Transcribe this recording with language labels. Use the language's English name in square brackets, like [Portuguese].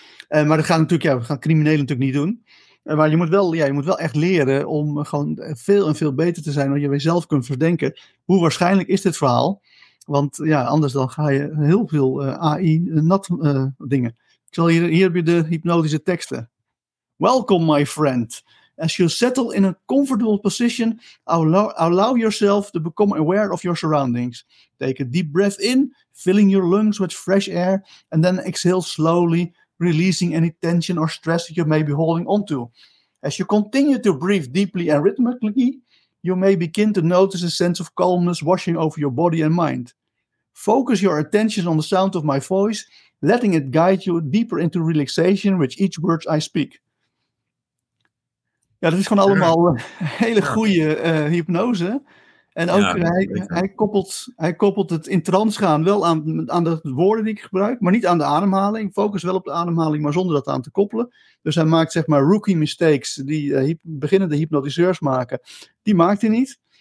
[Dutch] Maar dat gaan natuurlijk, we gaan criminelen natuurlijk niet doen. Maar je moet wel echt leren om gewoon veel en veel beter te zijn, want je jezelf kunt verdenken hoe waarschijnlijk is dit verhaal. Want ja, anders dan ga je heel veel AI-dingen. Hier heb je de hypnotische teksten. [English] Welcome, my friend. As you settle in a comfortable position, allow yourself to become aware of your surroundings. Take a deep breath in, filling your lungs with fresh air, and then exhale slowly, releasing any tension or stress that you may be holding onto. As you continue to breathe deeply and rhythmically, you may begin to notice a sense of calmness washing over your body and mind. Focus your attention on the sound of my voice, letting it guide you deeper into relaxation with each word I speak. [Dutch] Ja, dat is gewoon allemaal een hele goede hypnose. En ook hij koppelt het in trance gaan wel aan de woorden die ik gebruik, maar niet aan de ademhaling. Focus wel op de ademhaling, maar zonder dat aan te koppelen. Dus hij maakt zeg maar rookie mistakes die beginnende hypnotiseurs maken. Die maakt hij niet.